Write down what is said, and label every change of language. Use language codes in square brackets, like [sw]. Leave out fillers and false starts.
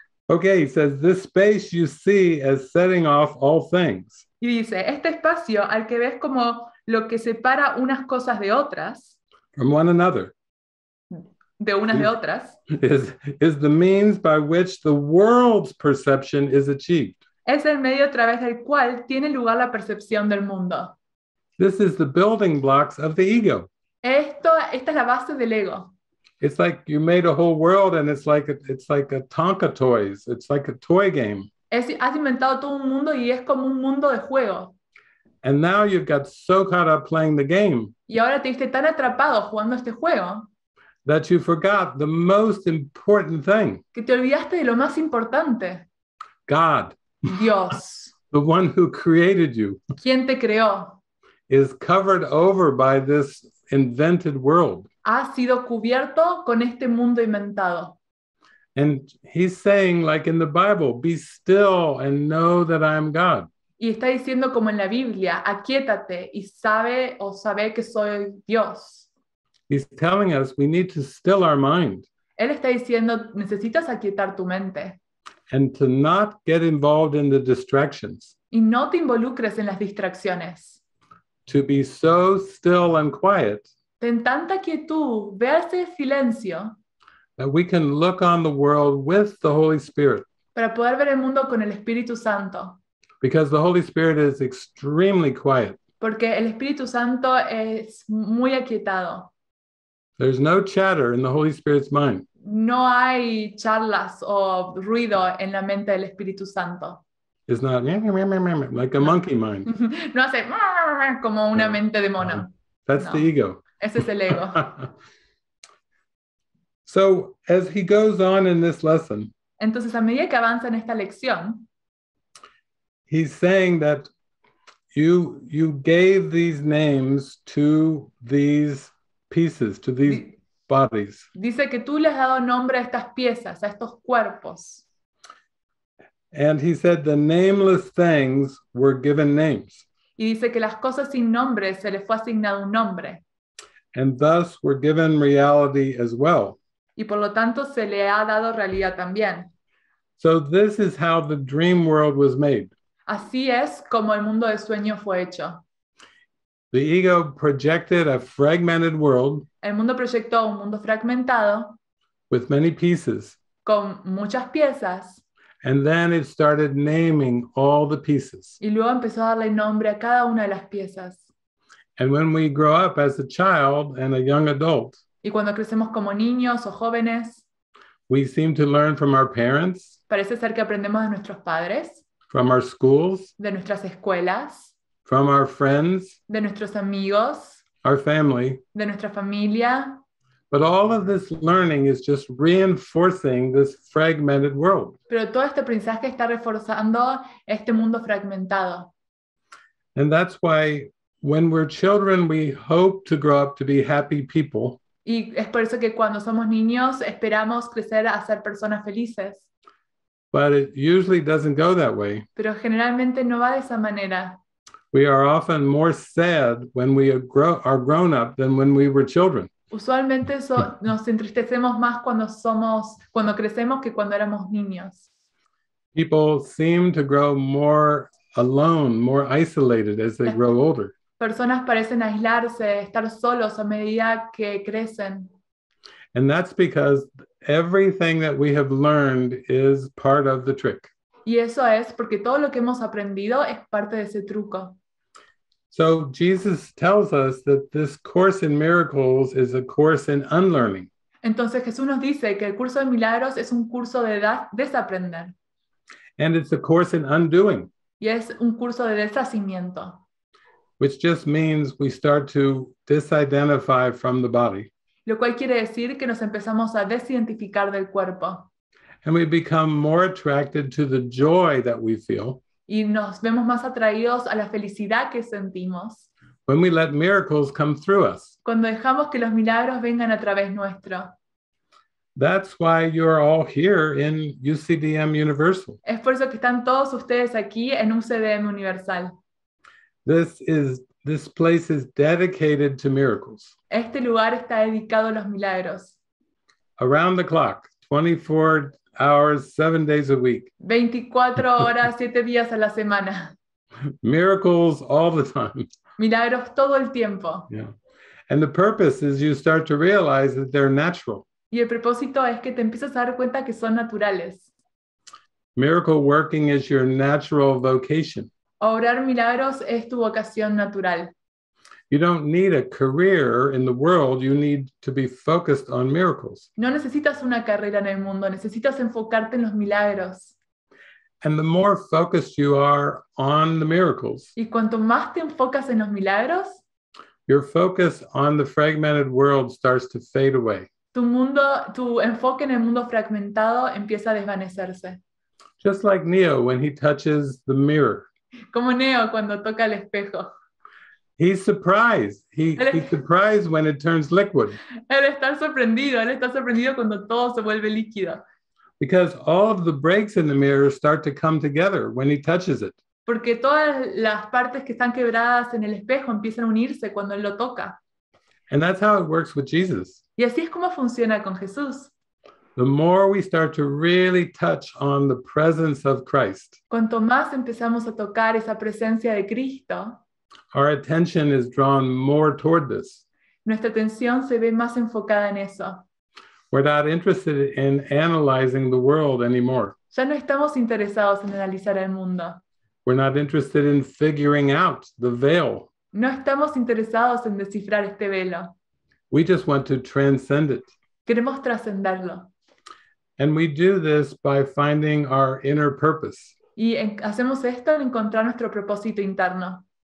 [en] Okay, he says, this space you see as setting off all things. [es] Y dice, este espacio al que ves como lo que separa unas cosas de otras. [en] From one another. [es] De unas de otras. [en] Is the means by which the world's perception is achieved. [es] Es el medio a través del cual tiene lugar la percepción del mundo. [en] This is the building blocks of the ego. [es] Esta es la base del ego. [en] It's like you made a whole world and it's like a Tonka toys. It's like a toy game. [es] Has inventado todo un mundo y es como un mundo de juego. [en] And now you've got so caught up playing the game. [es] Y ahora te viste tan atrapado jugando este juego. [en] That you forgot the most important thing. [es] Que te olvidaste de lo más importante. [en] God. [es] Dios. [en] The one who created you. [es] Quien te creó. [en] Is covered over by this invented world. [es] Ha sido cubierto con este mundo inventado. [en] And he's saying, like in the Bible, be still and know that I am God. [es] Y está diciendo como en la Biblia, aquiétate y sabe que soy Dios. [en] He's telling us we need to still our mind. [es] Él está diciendo, necesitas aquietar tu mente. [en] And to not get involved in the distractions. [es] Y no te involucres en las distracciones. [en] to be so still and quiet. [es] Ten tanta quietud, verse silencio. [en] That we can look on the world with the Holy Spirit. [es] Para poder ver el mundo con el Espíritu Santo. [en] Because the Holy Spirit is extremely quiet. [es] Porque el Espíritu Santo es muy aquietado. [en] There's no chatter in the Holy Spirit's mind. [es] No hay charlas o ruido en la mente del Espíritu Santo. [en] It's not like a monkey mind. [es] No hace como una mente de mono. [en] That's the ego. [es] Ese es el ego. [en] So as he goes on in this lesson, [es] entonces a medida que avanza en esta lección, [en] he's saying that you gave these names to these pieces, to these bodies. [es] Dice que tú le has dado nombre a estas piezas, a estos cuerpos. [en] And he said the nameless things were given names. [es] Y dice que las cosas sin nombre se les fue asignado un nombre. [en] And thus were given reality as well. [es] Y por lo tanto se le ha dado realidad también. [en] So this is how the dream world was made. [es] Así es como el mundo de sueño fue hecho. [en] The ego projected a fragmented world. [es] El mundo proyectó un mundo fragmentado. [en] With many pieces. [es] Con muchas piezas. [en] And then it started naming all the pieces. [es] Y luego empezó a darle nombre a cada una de las piezas. [en] And when we grow up as a child and a young adult. [es] Y cuando crecemos como niños o jóvenes. [en] We seem to learn from our parents. [es] Parece ser que aprendemos de nuestros padres. [en] From our schools, [es] de nuestras escuelas, [en] from our friends, [es] de nuestros amigos, [en] our family, [es] de nuestra familia. [en] But all of this learning is just reinforcing this fragmented world. [es] Pero todo este aprendizaje está reforzando este mundo fragmentado. [en] And that's why when we're children, we hope to grow up to be happy people. [es] Y es por eso que cuando somos niños, esperamos crecer a ser personas felices. [en] But it usually doesn't go that way. [es] Pero generalmente no va de esa manera. [en] We are often more sad when we are grown up than when we were children. [es] Usualmente nos entristecemos más cuando crecemos que cuando éramos niños. [en] People seem to grow more alone, more isolated as they grow older. [es] Personas parecen aislarse, estar solos a medida que crecen. [en] And that's because everything that we have learned is part of the trick. [es] Y eso es porque todo lo que hemos aprendido es parte de ese truco. [en] So Jesus tells us that this course in miracles is a course in unlearning. [es] Entonces Jesús nos dice que el curso de milagros es un curso de desaprender. [en] And it's a course in undoing. [es] Y es un curso de deshacimiento. [en] Which just means we start to disidentify from the body. [es] Lo cual quiere decir que nos empezamos a desidentificar del cuerpo. [en] And we become more attracted to the joy that we feel. [es] Y nos vemos más atraídos a la felicidad que sentimos. [en] When we let miracles come through us. [es] Cuando dejamos que los milagros vengan a través nuestro. [en] That's why you're all here in UCDM Universal. [es] Es por eso que están todos ustedes aquí en UCDM Universal. [en] This place is dedicated to miracles. [es] Este lugar está dedicado a los milagros. [en] Around the clock, 24 hours, 7 days a week. [es] 24 horas, 7 días a la semana. [en] Miracles all the time. [es] Milagros todo el tiempo. [en] Yeah. And the purpose is you start to realize that they're natural. [es] Y el propósito es que te empiezas a dar cuenta que son naturales. [en] Miracle working is your natural vocation. [es] Obrar milagros es tu vocación natural. [en] You don't need a career in the world, you need to be focused on miracles. [es] No necesitas una carrera en el mundo, necesitas enfocarte en los milagros. [en] And the more focused you are on the miracles. [es] Y cuanto más te enfocas en los milagros, [en] your focus on the fragmented world starts to fade away. [es] Tu enfoque en el mundo fragmentado empieza a desvanecerse. [en] Just like Neo when he touches the mirror. [es] Como Neo cuando toca el espejo. [en] He's surprised. He's surprised when it turns liquid. [es] Él está sorprendido cuando todo se vuelve líquido. [en] Because all of the breaks in the mirror start to come together when he touches it. [es] Porque todas las partes que están quebradas en el espejo empiezan a unirse cuando él lo toca. [en] And that's how it works with Jesus. [es] Y así es como funciona con Jesús. [en] The more we start to really touch on the presence of Christ. [es] Cuanto más empezamos a tocar esa presencia de Cristo. [en] Our attention is drawn more toward this. [es] Nuestra atención se ve más enfocada en eso. [en] We're not interested in analyzing the world anymore. [es] Ya no estamos interesados en analizar el mundo. [en] We're not interested in figuring out the veil. [es] No estamos interesados en descifrar este velo. [en] We just want to transcend it. [es] Queremos trascenderlo. [en] And we do this by finding our inner purpose. [es] Y hacemos esto en encontrar nuestro propósito interno.